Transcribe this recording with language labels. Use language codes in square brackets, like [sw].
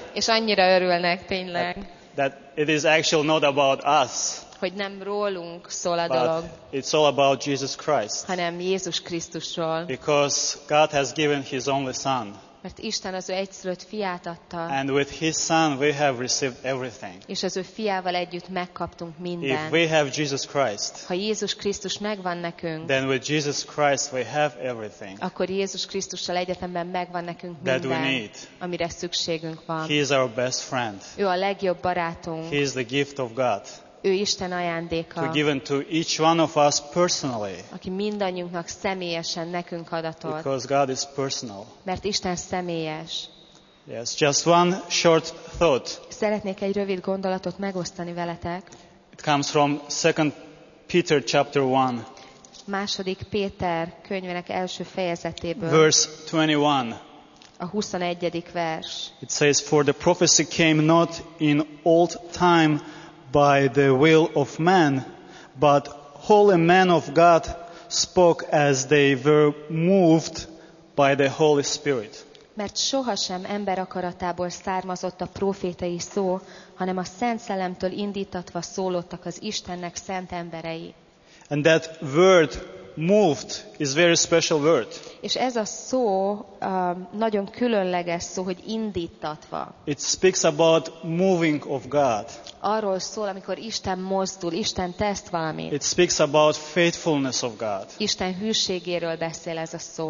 [hu] És annyira örülnek tényleg. [en] That it is actually not about us. [hu] Hogy nem rólunk szól a [en] but [hu] dolog. [en] It's all about Jesus Christ. [hu] Hanem Jézus Krisztusról. [en] Because God has given his only son. [hu] Mert Isten az ő egyszülött fiát adta. [en] And with his son we have received everything. [hu] És az ő fiával együtt megkaptunk mindent. [en] If we have Jesus Christ. [hu] Ha Jézus Krisztus megvan nekünk. [en] Then with Jesus Christ we have everything. [hu] Akkor Jézus Krisztussal egyetemben megvan nekünk minden. [en] That we need. [hu] Amire szükségünk van. [en] He is our best friend. [hu] Ő a legjobb barátunk. [en] He is the gift of God. [hu] Ő Isten ajándéka. [en] To given to each one of us personally. [hu] Aki mindannyiunknak személyesen nekünk adatot. [en] Because God is personal. [hu] Mert Isten személyes. [en] Yes, just one short thought. [hu] Szeretnék egy rövid gondolatot megosztani veletek. [en] It comes from 2 Peter chapter 1. [hu] Második Péter könyvének első fejezetéből. [en] Verse 21. [hu] A 21. vers. [en] It says, for the prophecy came not in old time by the will of man, but holy men of God spoke as they were moved by the Holy Spirit. [hu] Mert sohasem ember akaratából származott a prófétai szó, hanem a Szent Szellemtől indítatva szólottak az Istennek szent emberei. [en] And that word moved is very special word. [hu] És ez a szó nagyon különleges szó, hogy indítatva. [en] It speaks about moving of God. [hu] Arról szól, amikor Isten mozdul, Isten tesz valamit. [en] It speaks about faithfulness of God. [hu] Isten hűségéről beszél ez a szó.